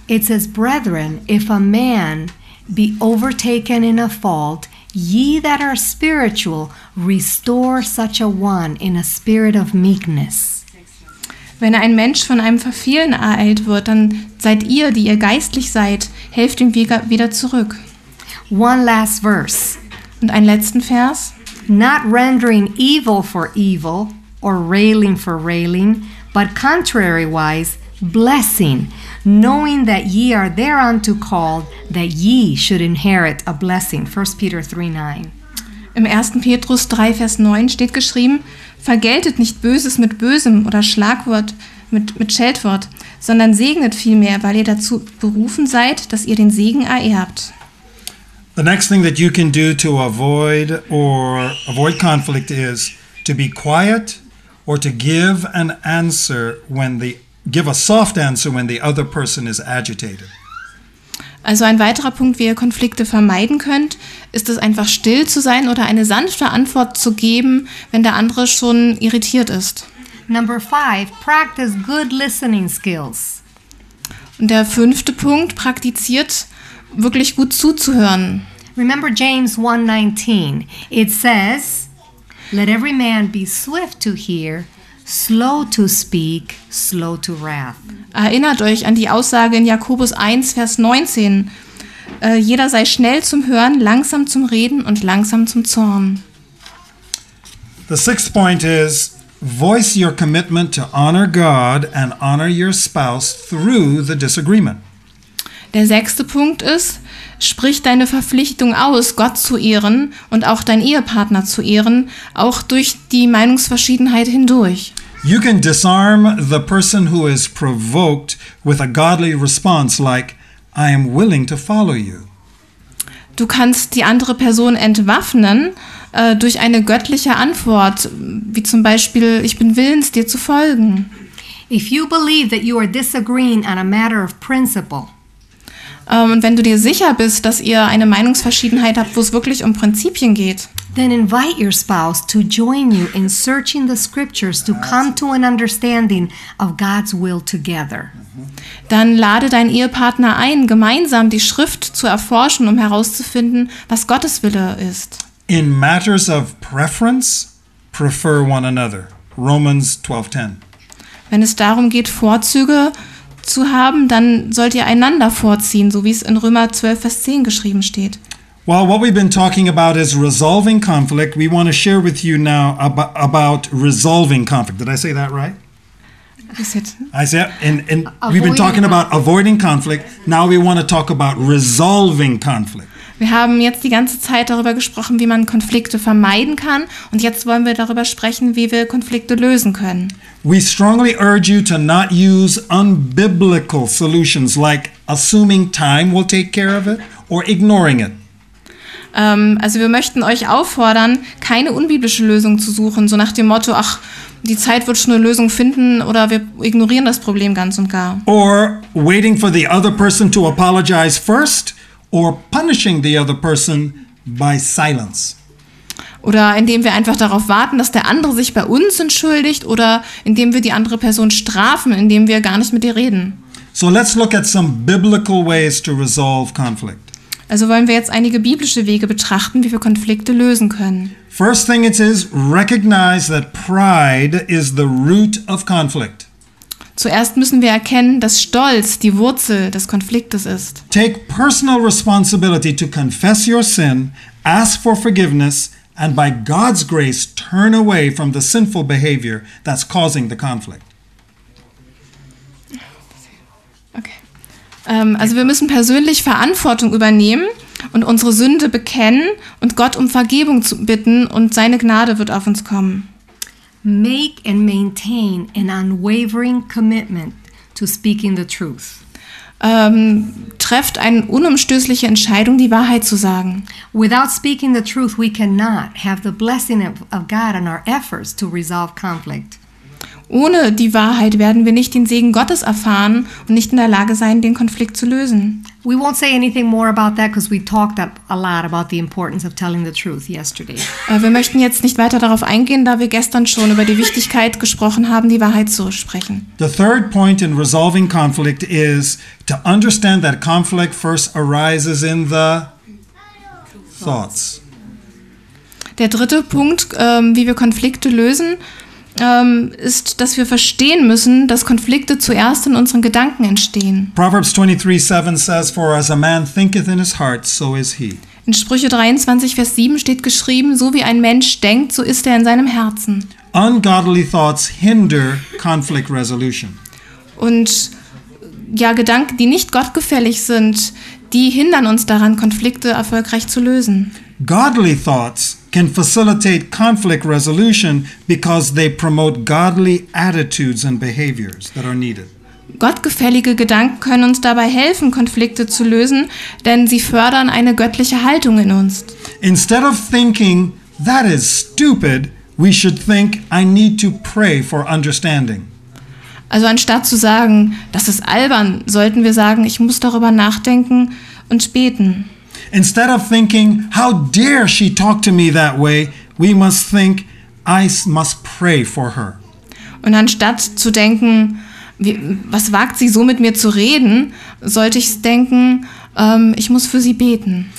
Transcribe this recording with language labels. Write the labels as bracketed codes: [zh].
[en] It says, brethren, if a man be overtaken in a fault, ye that are spiritual, restore such a one in a spirit of meekness. [de] Wenn ein Mensch von einem Verfehlen ereilt wird, dann seid ihr, die ihr geistlich seid, helft ihm wieder zurück. [en] One last verse. [de] Und einen letzten Vers. [en] Not rendering evil for evil, or railing for railing, but contrarywise, blessing, knowing that ye are thereunto called, that ye should inherit a blessing. 1 Peter 3, 9. [de] Im 1. Petrus 3, Vers 9 steht geschrieben, vergeltet nicht Böses mit Bösem oder Schlagwort mit Scheltwort, sondern segnet vielmehr, weil ihr dazu berufen seid, dass ihr den Segen ererbt. [en] The next thing that you can do to avoid or avoid conflict is to be quiet, or to give an answer when the give a soft answer when the other person is agitated. [de] Also ein weiterer Punkt, wie ihr Konflikte vermeiden könnt, ist es einfach still zu sein oder eine sanfte Antwort zu geben, wenn der andere schon irritiert ist. [en] Number 5, practice good listening skills. [de] Und der fünfte Punkt, praktiziert wirklich gut zuzuhören. [en] Remember James 1:19. It says, let every man be swift to hear, slow to speak, slow to wrath. [de] Erinnert euch an die Aussage in Jakobus 1, Vers 19. Jeder sei schnell zum Hören, langsam zum Reden und langsam zum Zorn. [en] The sixth point is, voice your commitment to honor God and honor your spouse through the disagreement. [de] Der sechste Punkt ist, sprich deine Verpflichtung aus, Gott zu ehren und auch deinen Ehepartner zu ehren, auch durch die Meinungsverschiedenheit hindurch. [en] You can disarm the person who is provoked with a godly response like, I am willing to follow you. [de] Du kannst die andere Person entwaffnen durch eine göttliche Antwort, wie zum Beispiel, ich bin willens, dir zu folgen. [en] If you believe that you are disagreeing on a matter of principle, [de] und wenn du dir sicher bist, dass ihr eine Meinungsverschiedenheit habt, wo es wirklich um Prinzipien geht, [en] then invite your spouse to join you in searching the scriptures to come to an understanding of God's will together. [de] Dann lade deinen Ehepartner ein, gemeinsam die Schrift zu erforschen, um herauszufinden, was Gottes Wille ist. [en] In matters of preference, prefer one another. Romans 12:10. [de] Wenn es darum geht, Vorzüge zu haben, dann sollt ihr einander vorziehen, so wie es in Römer 12, Vers 10 geschrieben steht. [en] Well, what we've been talking about is resolving conflict. We want to share with you now about resolving conflict. Did I say that right? I said, and we've been talking about avoiding conflict. Now we want to talk about resolving conflict. [de] Wir haben jetzt die ganze Zeit darüber gesprochen, wie man Konflikte vermeiden kann. Und jetzt wollen wir darüber sprechen, wie wir Konflikte lösen können. [en] We strongly urge you to not use unbiblical solutions like assuming time will take care of it or ignoring it. [de] Also wir möchten euch auffordern, keine unbiblische Lösung zu suchen, so nach dem Motto, ach, die Zeit wird schon eine Lösung finden oder wir ignorieren das Problem ganz und gar. [en] Or waiting for the other person to apologize first or punishing the other person by silence. [de] Oder indem wir einfach darauf warten, dass der andere sich bei uns entschuldigt oder indem wir die andere Person strafen, indem wir gar nicht mit ihr reden. [en] So let's look at some biblical ways to resolve conflict. [de] Also wollen wir jetzt einige biblische Wege betrachten, wie wir Konflikte lösen können. [en] First thing it is, recognize that pride is the root of conflict. [de] Zuerst müssen wir erkennen, dass Stolz die Wurzel des Konfliktes ist. [en] Take personal responsibility to confess your sin, ask for forgiveness and by God's grace turn away from the sinful behavior that's causing the conflict. [de] Also wir müssen persönlich Verantwortung übernehmen und unsere Sünde bekennen und Gott um Vergebung zu bitten und seine Gnade wird auf uns kommen. [en] Make and maintain an unwavering commitment to speaking the truth. [de] Trefft eine unumstößliche Entscheidung, die Wahrheit zu sagen. [en] Without speaking the truth, we cannot have the blessing of God in our efforts to resolve conflict. [de] Ohne die Wahrheit werden wir nicht den Segen Gottes erfahren und nicht in der Lage sein, den Konflikt zu lösen. [en] We won't say anything more about that because we talked a lot about the importance of telling the truth yesterday. [de] Wir möchten jetzt nicht weiter darauf eingehen, da wir gestern schon über die Wichtigkeit gesprochen haben, die Wahrheit zu sprechen. [en] The third point in resolving conflict is to understand that conflict first arises in the thoughts. [de] Der dritte Punkt, wie wir Konflikte lösen, ist, dass wir verstehen müssen, dass Konflikte zuerst in unseren Gedanken entstehen. [en] Proverbs 23:7 says, for as a man thinketh in his heart, so is he. [de] In Sprüche 23, Vers 7 steht geschrieben, so wie ein Mensch denkt, so ist er in seinem Herzen. [en] Ungodly thoughts hinder conflict resolution. [de] Und ja, Gedanken, die nicht gottgefällig sind, die hindern uns daran, Konflikte erfolgreich zu lösen. [en] Godly thoughts can facilitate conflict resolution because they promote godly attitudes and behaviors that are needed. [de] Gottgefällige Gedanken können uns dabei helfen, Konflikte zu lösen, denn sie fördern eine göttliche Haltung in uns. [en] Instead of thinking that is stupid, we should think I need to pray for understanding. [de] Also anstatt zu sagen, das ist albern, sollten wir sagen, ich muss darüber nachdenken und beten. [en] Instead of thinking, how dare she talk to me that way, we must think, I must pray for her. [de] Und anstatt zu denken, was wagt sie so mit mir zu reden, sollte ich denken, ich muss für sie beten.